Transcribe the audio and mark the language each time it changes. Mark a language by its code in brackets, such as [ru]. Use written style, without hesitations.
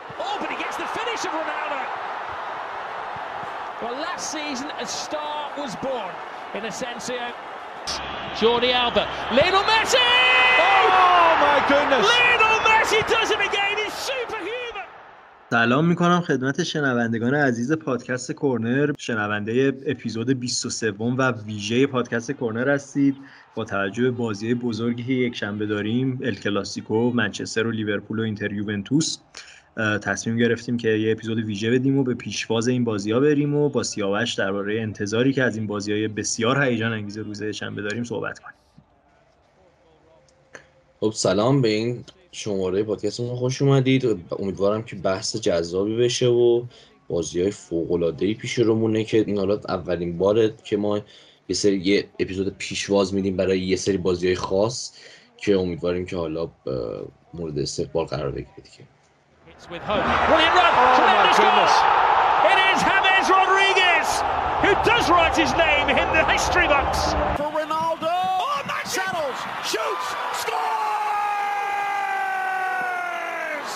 [en] Oh, but he gets the finish of Ronaldo. Well, last season a star was born in Asensio. Jordi Alba, Lionel Messi! Oh my goodness! Lionel Messi does it again. He's superhuman. [fa] سلام میکنم خدمت شنوندگان عزیز پادکست کورنر. شنونده اپیزود 23 و ویژه پادکست کورنر هستید. با توجه به بازی بزرگی که یکشنبه داریم، ال کلاسیکو، منچستر و لیورپول و اینتر یوونتوس، تصمیم گرفتیم که یه اپیزود ویژه بدیم و به پیشواز این بازی‌ها بریم و با سیاوش درباره انتظاری که از این بازی‌های بسیار هیجان انگیز روز شنبه داریم صحبت کنیم. خب سلام، به این شماره پادکستمون خوش اومدید. امیدوارم که بحث جذابی بشه و بازی‌های فوق‌العاده‌ای پیش رومونه که این حالا اولین باره که ما یه سری یه اپیزود پیشواز میدیم برای یه سری بازی های خاص که امیدواریم که حالا مورد استقبال قرار بگیره دیگه. [en] It is James Rodriguez who does write his name in the history books. For Ronaldo, settles, shoots, scores!